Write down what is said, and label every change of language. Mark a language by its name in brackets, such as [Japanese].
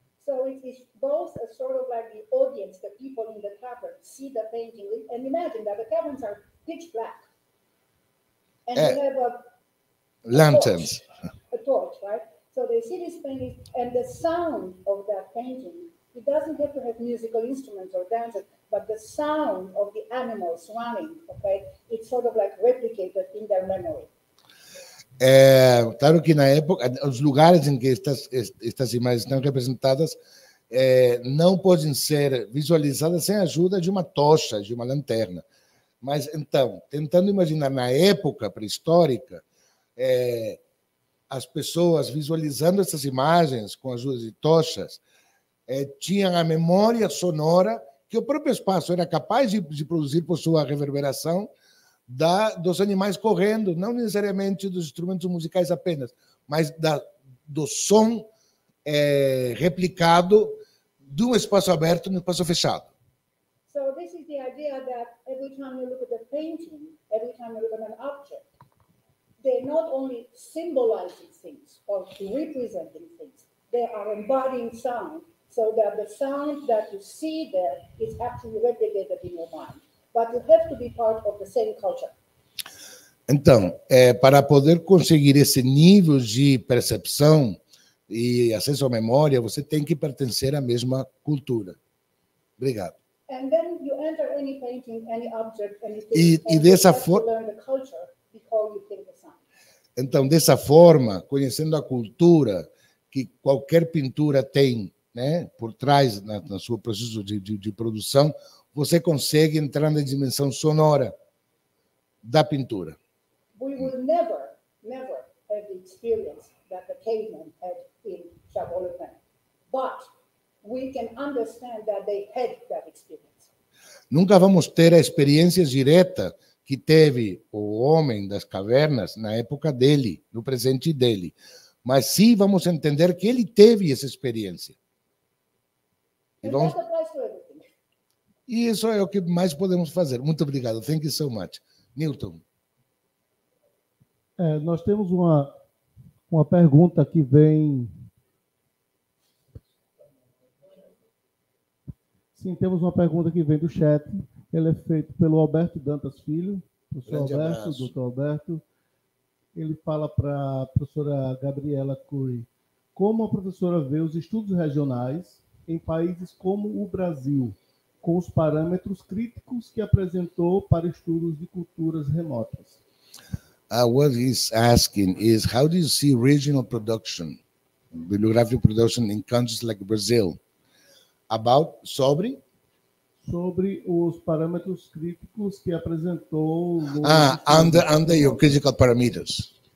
[English] So it is both a sort of like the audience, the people in the cavern see the painting and imagine that the caverns are pitch black and they have a lanterns, a torch, right? So they see this painting and the sound of that painting, it doesn't have to have musical instruments or dancers, but the sound of the animals running, okay, it's sort of like replicated in their memory. [Portuguese] É, claro que na época, os lugares em que estas imagens estão representadas é, não podem ser visualizadas sem a ajuda de uma tocha, de uma lanterna. Mas, então, tentando imaginar na época pré-histórica, é, as pessoas visualizando essas imagens com a ajuda de tochas é, tinham a memória sonora que o próprio espaço era capaz de produzir por sua reverberação da, dos animais correndo, não necessariamente dos instrumentos musicais apenas, mas da, do som é, replicado de um espaço aberto no espaço fechado. [English] So this is the idea that every time you look at the painting, every time you look at an object, they not only symbolizing things or representing things, they are embodying sound, so that the sound that you see there is actually replicated in your mind. But you have to be part of the same culture. [Portuguese] Então, é, para poder conseguir esse nível de percepção e acesso à memória, você tem que pertencer à mesma cultura. Obrigado. [English] And then you enter any painting, any object, anything. [Portuguese] E dessa forma, [English] learn the culture before you think the sound. [Portuguese] Então, dessa forma, conhecendo a cultura que qualquer pintura tem, né, por trás na sua processo de produção, você consegue entrar na dimensão sonora da pintura. [English] We will never, never have the experience that the caveman had in Chabolotan. But we can understand that they had that experience. [Portuguese] Nunca vamos ter a experiência direta que teve o homem das cavernas na época dele, no presente dele. Mas sim vamos entender que ele teve essa experiência. E vamos... E isso é o que mais podemos fazer. Muito obrigado. [English] Thank you so much. Newton. [Portuguese] É, nós temos uma pergunta que vem... Sim, temos uma pergunta que vem do chat. Ele é feito pelo Alberto Dantas Filho. Professor Alberto, doutor Alberto. Ele fala para a professora Gabriela Currie. Como a professora vê os estudos regionais em países como o Brasil, com os parâmetros críticos que apresentou para estudos de culturas remotas? [English] What he's asking is, how do you see regional production, bibliographic production in countries like Brazil? About, sobre? [Portuguese] Sobre os parâmetros críticos que apresentou... [English] Under your critical parameters.